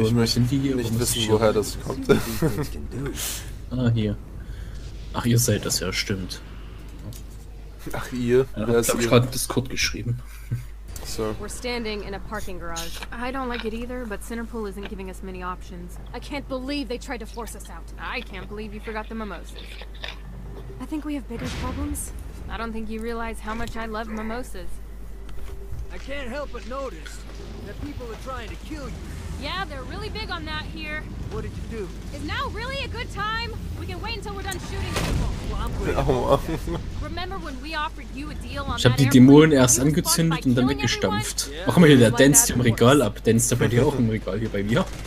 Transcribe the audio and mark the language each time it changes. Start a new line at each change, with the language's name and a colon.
German: ich möchte die hier, nicht wissen, woher das kommt. Ah, hier. Ach, ihr seid das, ja, stimmt. Ach, ihr? Ja, wer ist ihr? Ich hab gerade Discord geschrieben.
English: So. We're standing in a parking garage. I don't like it either, but Centerpool isn't giving us many options. I can't believe they tried to force us out. I can't believe you forgot the mimosas. I think we have bigger problems. I don't think you realize how much I love mimosas. I can't help but notice that people are trying to kill you. Yeah, they're really big on that here. What did you do? Is now really a good time? We can wait until we're done shooting people. Remember when we offered you a deal on that?
German: Ich hab die Dämonen erst angezündet und dann weggestampft. Mach mal hier, der danced im Regal ab. Danced er bei dir auch im Regal hier bei mir?